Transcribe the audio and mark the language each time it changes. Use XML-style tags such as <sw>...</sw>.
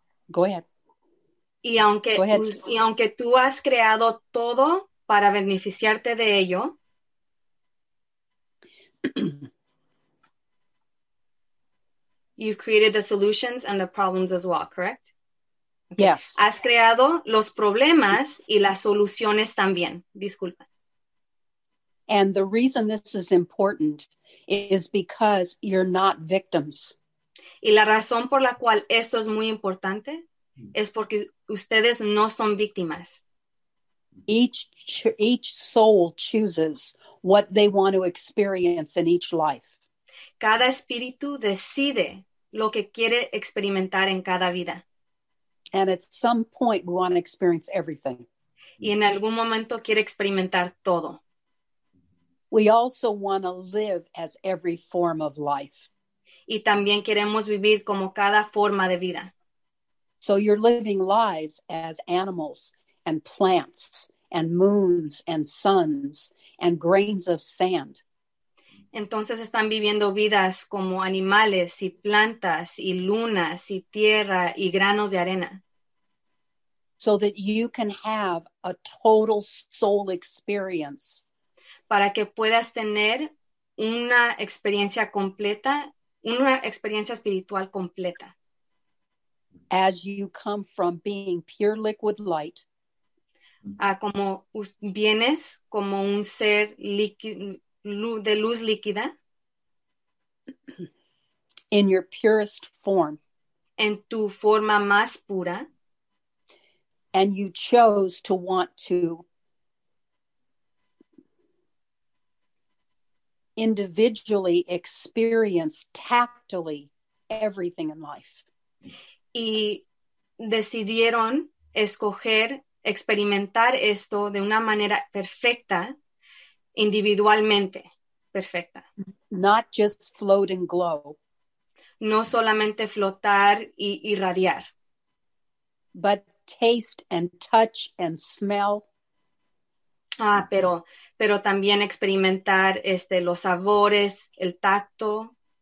<en>Go ahead.</en> <es>Y aunque tú has creado todo para beneficiarte de ello.</es> <en>You've created the solutions and the problems as well, correct? Okay. Yes.</en> <es>Has creado los problemas y las soluciones también. Disculpa.</es> <en>And the reason this is important is because you're not victims.</en> <es>Y la razón por la cual esto es muy importante es porque ustedes no son víctimas.</es> <en>Each soul chooses what they want to experience in each life.</en> <es>Cada espíritu decide lo que quiere experimentar en cada vida.</es> <en>And at some point we want to experience everything.</en> <es>Y en algún momento quiere experimentar todo.</es> <en>We also want to live as every form of life.</en> <es>Y también queremos vivir como cada forma de vida.</es> <en>So you're living lives as animals and plants and moons and suns and grains of sand.</en> <es>Entonces están viviendo vidas como animales y plantas y lunas y tierra y granos de arena.</es> <en>So that you can have a total soul experience.</en> <es>Para que puedas tener una experiencia completa, una experiencia espiritual completa.</es> <en>As you come from being pure liquid light.</en> <es>Como vienes como un ser de luz líquida.</es> <en>In your purest form.</en> <es>En tu forma más pura.</es> <en>And you chose to want to individually experience tactily everything in life.</en> <es>Y decidieron escoger experimentar esto de una manera perfecta, individualmente perfecta.</es> <en>Not just float and glow.</en> <es>No solamente flotar y irradiar.</es> <en>But taste and touch and smell.</en> <es>Pero también experimentar los sabores, el tacto.</es>